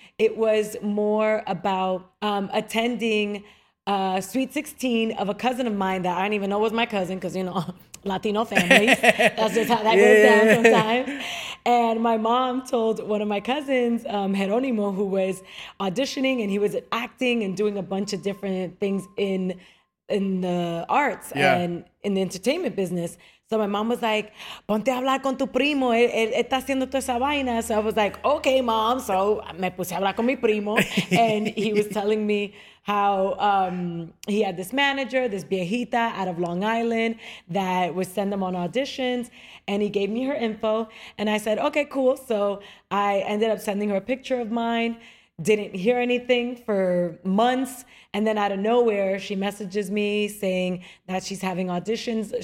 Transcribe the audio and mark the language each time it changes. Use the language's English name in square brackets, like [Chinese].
[English] It was more about attending a Sweet 16 of a cousin of mine that I didn't even know was my cousin because, you know, Latino families. That's just how that goes down sometimes. And my mom told one of my cousins, Jeronimo, who was auditioning and he was acting and doing a bunch of different things in the arts and in the entertainment business. So my mom was like, [Spanish] ponte a hablar con tu primo, él está haciendo toda esa vaina. [English] So I was like, okay, mom. [Spanish] So me puse a hablar con mi primo. [English] And he was telling me how he had this manager, this viejita out of Long Island that would send them on auditions. And he gave me her info. And I said, okay, cool. So I ended up sending her a picture of mine. Didn't hear anything for months. And then out of nowhere, she messages me saying that she's having auditions.